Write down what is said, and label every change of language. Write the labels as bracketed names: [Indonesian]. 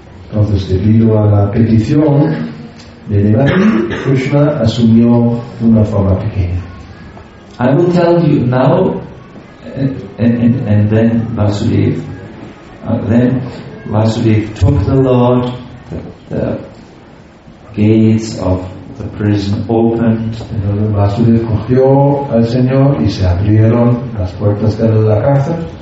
[Spanish] Entonces, debido a la petición de Devaki, Krishna asumió una forma pequeña. [English] I will tell you now, then Vasudev took the Lord, the gates of the prison opened. [Spanish] Entonces Vasudev cogió al Señor y se abrieron las puertas de la cárcel.